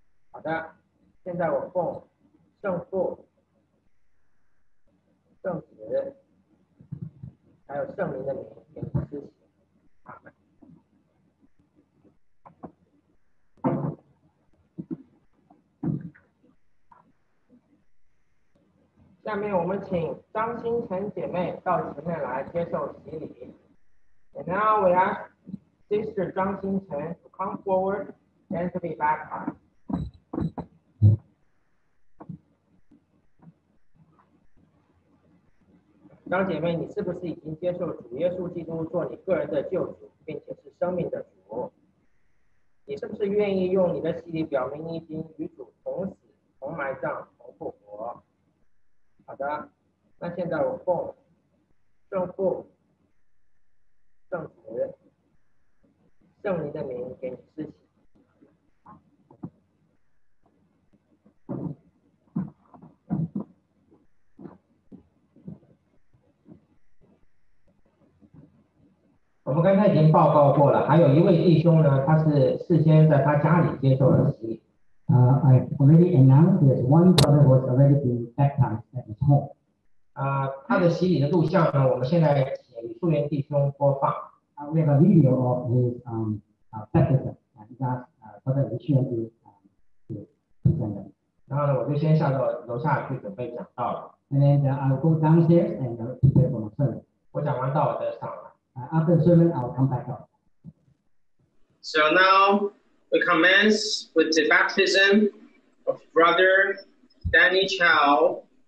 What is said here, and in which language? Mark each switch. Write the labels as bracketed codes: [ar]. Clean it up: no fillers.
[zh] 好的，现在我奉圣父、圣子还有圣灵的名给你施洗。阿们。下面我们请张新成姐妹到前面来接受洗礼。 [en] And now we ask Sister 张新成 to come forward and to be baptized. [zh] 张姐妹，你是不是已经接受主耶稣基督做你个人的救主，并且是生命的主？你是不是愿意用你的洗礼表明你已经与主同死、同埋葬、同复活？好的，那现在我奉圣父、圣子、圣灵的名给你施洗。我们刚才已经报告过了，还有一位弟兄呢，他是事先在他家里接受了洗礼。 [en] I already announced that one brother was already been baptized at his home. [zh] 他的洗礼的录像呢，我们现在请素媛弟兄播放。 [en] We have a video of his baptism, and that brother Lu Xuan to present. [zh] 然后呢，我就先下到楼下去准备讲道了。 [en] And then I'll go downstairs and prepare for the sermon. [zh] 我讲完道，我再上来。 [en] After the sermon, I'll come back up. So now we commence with the baptism of Brother Danny Chow.